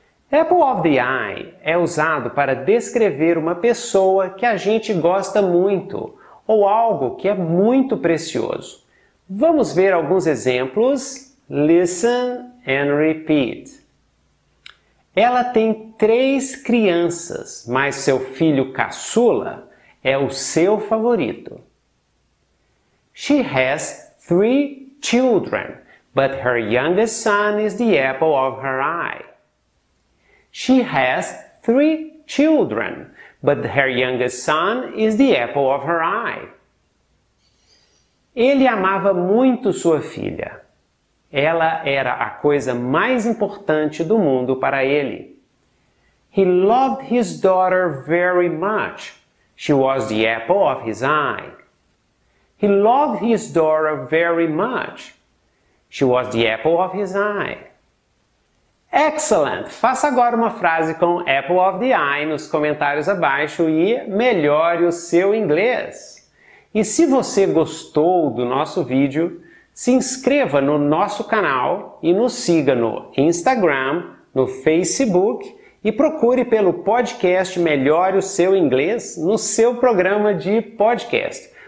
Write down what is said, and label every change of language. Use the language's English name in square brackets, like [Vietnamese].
[Portuguese] Apple of the eye é usado para descrever uma pessoa que a gente gosta muito ou algo que é muito precioso. Vamos ver alguns exemplos. [English] Listen and repeat. [Portuguese] Ela tem 3 crianças, mas seu filho caçula é o seu favorito. [English] She has 3 children, but her youngest son is the apple of her eye. She has 3 children, but her youngest son is the apple of her eye. [Portuguese] Ele amava muito sua filha. Ela era a coisa mais importante do mundo para ele. [English] He loved his daughter very much. She was the apple of his eye. He loved his daughter very much. She was the apple of his eye. Excellent! [Portuguese] Faça agora uma frase com apple of the eye nos comentários abaixo e melhore o seu inglês. E se você gostou do nosso vídeo, se inscreva no nosso canal e nos siga no Instagram, no Facebook e procure pelo podcast Melhore o Seu Inglês no seu programa de podcast.